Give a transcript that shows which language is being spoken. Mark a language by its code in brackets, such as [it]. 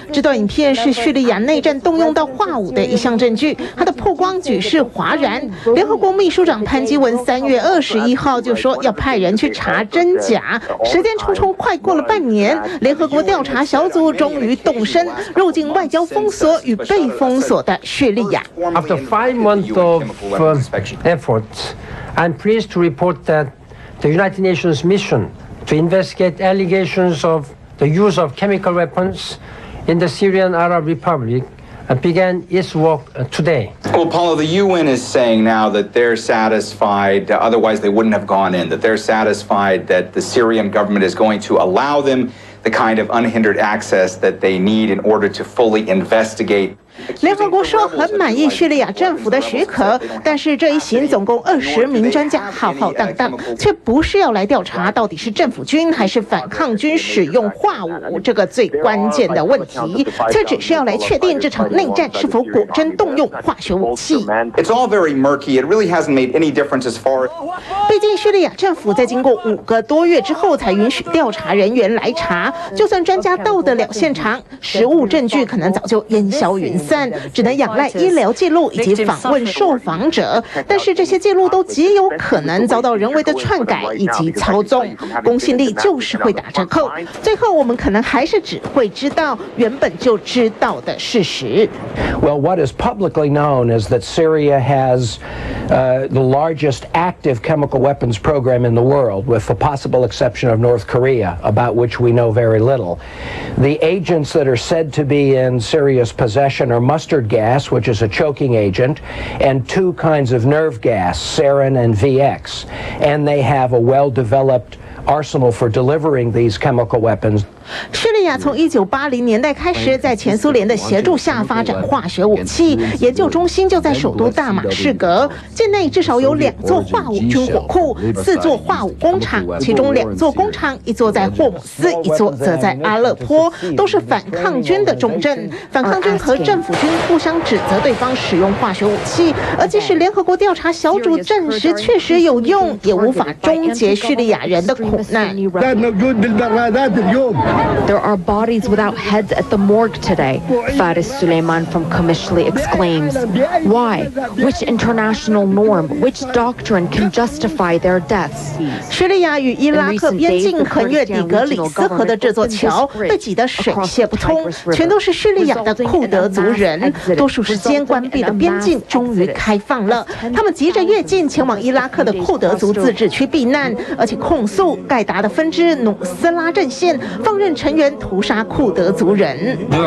[zh] 这段影片是叙利亚内战动用到化武的一项证据，它的曝光举世哗然。联合国秘书长潘基文3月21号就说要派人去查真假，时间匆匆快过了半年，联合国调查小组终于动身，入境外交封锁与被封锁的叙利亚。 [en] After 5 months of effort, I'm pleased to report that. The United Nations mission to investigate allegations of the use of chemical weapons in the Syrian Arab Republic began its work today. Well, Paulo, the UN is saying now that they're satisfied, otherwise they wouldn't have gone in, that they're satisfied that the Syrian government is going to allow them the kind of unhindered access that they need in order to fully investigate. [zh] 联合国说很满意叙利亚政府的许可，但是这一行总共20名专家浩浩荡荡，却不是要来调查到底是政府军还是反抗军使用化武这个最关键的问题，却只是要来确定这场内战是否果真动用化学武器。 [en] It's all very murky. It really hasn't made any difference as far. [zh] 毕竟叙利亚政府在经过5个多月之后才允许调查人员来查，就算专家到得了现场，实物证据可能早就烟消云。只能仰赖医疗记录以及访问受访者，但是这些记录都极有可能遭到人为的篡改以及操纵，公信力就是会打折扣，最后我们可能还是只会知道原本就知道的事实。 [en] Well, what is publicly known is that Syria has the largest active chemical weapons program in the world, with the possible exception of North Korea, about which we know very little. The agents that are said to be in Syria's possession or mustard gas, which is a choking agent, and 2 kinds of nerve gas, sarin and VX. And they have a well-developed arsenal for delivering these chemical weapons. [zh] 叙利亚从1980年代开始在前苏联的协助下发展化学武器，研究中心就在首都大马士革，境内至少有两座化武军火库，四座化武工厂，其中两座工厂，一座在霍姆斯，一座则在阿勒颇，都是反抗军的重镇。反抗军和政府军互相指责对方使用化学武器，而即使联合国调查小组证实确实有用，也无法终结叙利亚人的苦难。 [en] There are bodies without heads at the morgue today, Faris Suleiman from Qamishli exclaims. Why? Which international norm, which doctrine can justify their deaths? [zh] 叙利亚与伊拉克边境横越底格里斯河的这座桥被挤得水泄不通，全都是叙利亚的库德族人，多数时间关闭的边境终于开放了，他们急着越境前往伊拉克的库德族自治区避难，而且控诉盖达的分支努斯拉阵线放任成员屠杀库德族人。